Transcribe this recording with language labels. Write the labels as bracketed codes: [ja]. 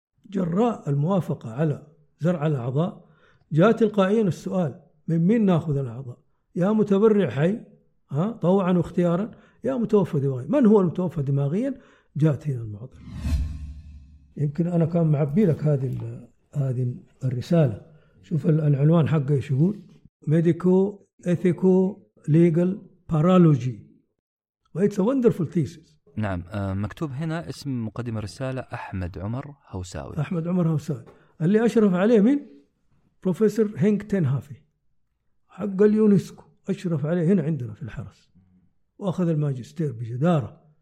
[ar] جراء الموافقة على زرع الأعضاء جاء تلقائيا السؤال من مين نأخذ الأعضاء؟ يا متبرع حي طوعا واختيارا، يا متوفى دماغيا. من هو المتوفى دماغيا؟ جاءت هنا المعضلة. يمكن أنا كان معبي لك هذه الرسالة. شوف العنوان حقه إيش يقول: [en] Medico Ethico Legal Paralogy It's a wonderful thesis. [ar] نعم، مكتوب هنا اسم مقدم الرسالة أحمد عمر هوساوي. أحمد عمر هوساوي اللي أشرف عليه من بروفيسور هينك تنهافي حق اليونسكو، أشرف عليه هنا عندنا في الحرس وأخذ الماجستير بجدارة.